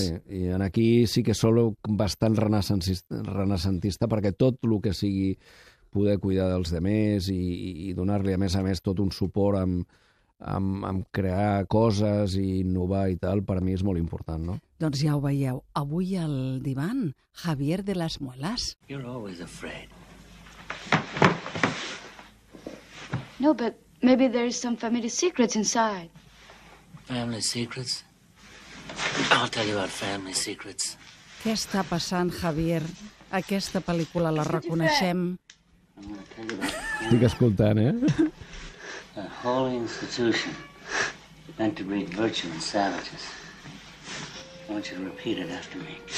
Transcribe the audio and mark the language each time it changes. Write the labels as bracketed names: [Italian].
[Catalan] Sí. I aquí sí que sóc bastant renaissantista, perquè tot el que sigui poder cuidar dels demés i donar-li, a més, tot un suport amb crear coses i innovar i tal, per mi és molt important, no? Doncs ja ho veieu. Avui al divan, Javier de las Muelas. [English] You're always afraid. No, but maybe there is some family secrets inside. Family secrets? I'll tell you about family secrets. [Catalan] Què està passant, Javier? Aquesta pel·lícula la reconeixem. Estic escoltant, eh? [English] A holy institution meant to breed virtue in savages. I want you to repeat it after me.